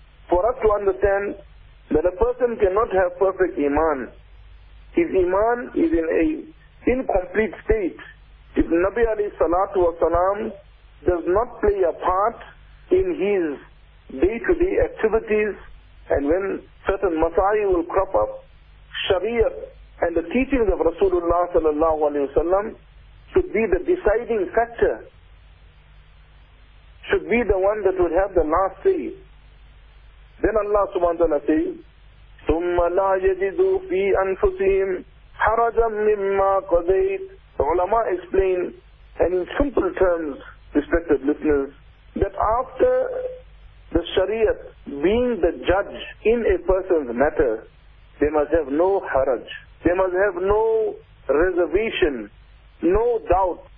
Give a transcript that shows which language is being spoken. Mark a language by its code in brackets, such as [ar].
[en] For us to understand that a person cannot have perfect iman, his iman is in an incomplete state, if Nabi alayhi salatu wa sallam does not play a part in his day-to-day activities, and when certain masai will crop up, Sharia and the teachings of Rasulullah sallallahu alayhi wa sallam should be the deciding factor, should be the one that would have the last say. Then Allah subhanahu wa ta'ala says, [ar] ثُمَّ لَا يَجِدُوا فِي أَنفُسِهِمْ حَرَجًا مِمَّا قَضَيْتَ. [en] The ulama explain, and in simple terms, respected listeners, that after the Sharia being the judge in a person's matter, they must have no haraj. They must have no reservation, no doubt.